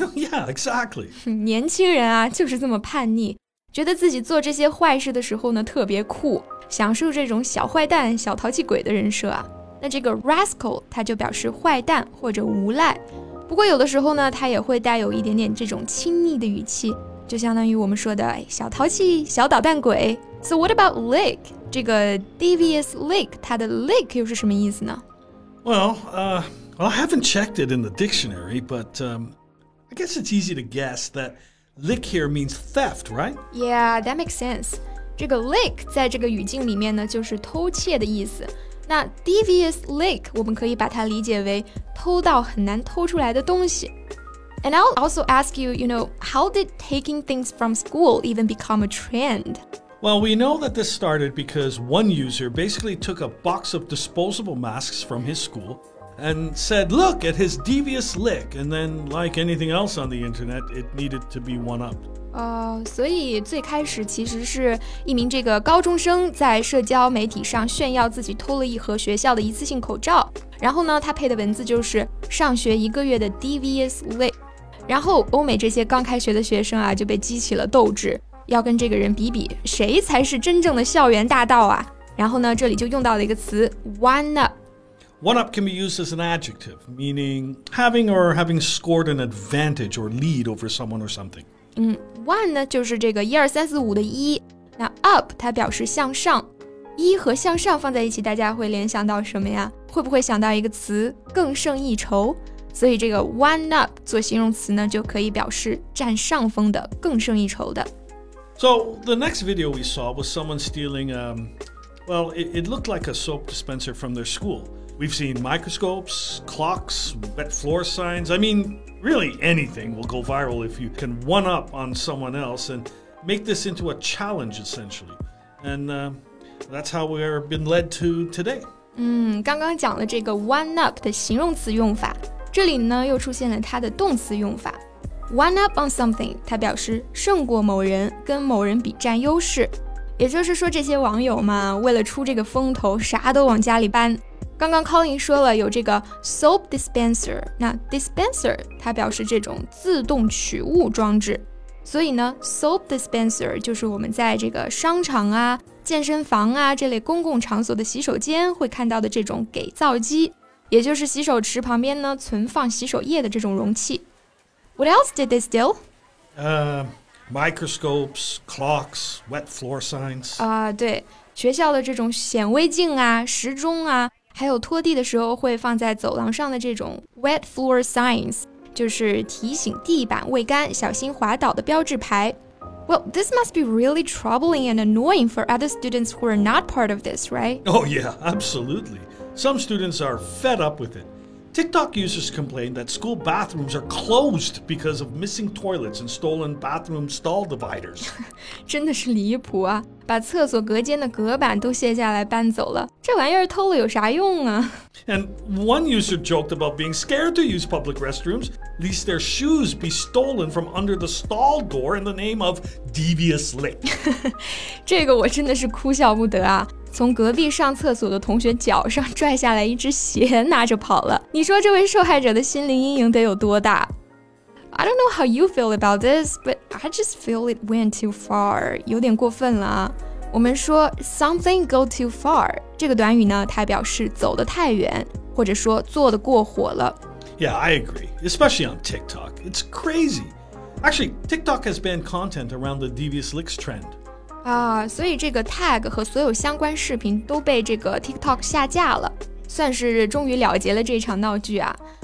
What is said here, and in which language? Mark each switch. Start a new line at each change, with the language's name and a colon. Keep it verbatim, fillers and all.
English: Yeah, exactly.
Chinese: 年轻人啊，就是这么叛逆。觉得自己做这些坏事的时候呢特别酷，享受这种小坏蛋小淘气鬼的人设啊。那这个 rascal 它就表示坏蛋或者无赖，不过有的时候呢它也会带有一点点这种亲昵的语气，就相当于我们说的小淘气小捣蛋鬼。
English: So what about lick?
Chinese: 这个 devious lick 它的 lick 又是什么意思呢？
English: Well,、uh, well I haven't checked it in the dictionary, but、um, I guess it's easy to guess that Lick here means theft, right? Yeah, that makes sense.
Chinese: 这个 lick 在这个语境里面呢，就是偷窃的意思。那 devious lick 我们可以把它理解为偷到很难偷出来的东西。
English: And I'll also ask you, you know, how did taking things from school even become a trend? Well, we know that this started because one user basically took a box of disposable masks from his school. And said, look at his devious lick. And then, like anything else on the internet, it needed to be one-upped.
Chinese: 哦，所以最开始其实是一名这个高中生在社交媒体上炫耀自己偷了一盒学校的一次性口罩，然后呢，他配的文字就是上学一个月的 devious lick。然后欧美这些刚开学的学生啊，就被激起了斗志，要跟这个人比比，谁才是真正的校园大盗啊？然后呢，这里就用到了一个词 one-up。
English: One-up can be used as an adjective, meaning having or having scored an advantage or lead over someone or something.
Chinese: 嗯 one 呢就是这个一二三四五的一，那 up 它表示向上，一和向上放在一起，大家会联想到什么呀？会不会想到一个词更胜一筹？所以这个 one up 做形容词呢，就可以表示占上风的，更胜一筹的。
English: So the next video we saw was someone stealing, um, well, it, it looked like a soap dispenser from their school. We've seen microscopes, clocks, wet floor signs. I mean, really anything will go viral if you can one-up on someone else and make this into a challenge, essentially. And uh, that's how we've been led to today.
Chinese: 嗯，刚刚讲了这个 one-up 的形容词用法，这里呢又出现了它的动词用法。
English: One up on something
Chinese: 它表示胜过某人，跟某人比占优势。也就是说这些网友嘛，为了出这个风头啥都往家里搬。刚刚 Colin 说了有这个 soap dispenser， 那 dispenser 它表示这种自动取物装置，所以呢 soap dispenser 就是我们在这个商场啊、健身房啊这类公共场所的洗手间会看到的这种给皂机，也就是洗手池旁边呢存放洗手液的这种容器。
English: What else did they steal? Uh, microscopes, clocks, wet floor signs.
Chinese: 啊、uh, 对，学校的这种显微镜啊、时钟啊，还有拖地的时候会放在走廊上的这种 wet floor signs， 就是提醒地板未干，小心滑倒的标志牌。
English: Well, this must be really troubling and annoying for other students who are not part of this, right? Oh yeah, absolutely. Some students are fed up with it. TikTok users complain that school bathrooms are closed because of missing toilets and stolen bathroom stall dividers.
Chinese: 真的是离谱啊，把厕所隔间的隔板都卸下来搬走了，这玩意儿偷了有啥用啊？
English: And one user joked about being scared to use public restrooms, lest their shoes be stolen from under the stall door in the name of devious lick.
Chinese: 这个我真的是哭笑不得啊，从隔壁上厕所的同学脚上拽下来一只鞋拿着跑了，你说这位受害者的心灵阴影得有多大？
English: I don't know how you feel about this, but I just feel it went too far.
Chinese: 有点过分了啊。我们说
English: something go too far
Chinese: 这个短语呢，它表示走得太远，或者说做得过火了。
English: Yeah, I agree. Especially on TikTok. It's crazy. Actually, TikTok has banned content around the devious licks trend.
Chinese: 啊，所以这个 tag 和所有相关视频都被这个 TikTok 下架了，算是终于了结了这场闹剧啊。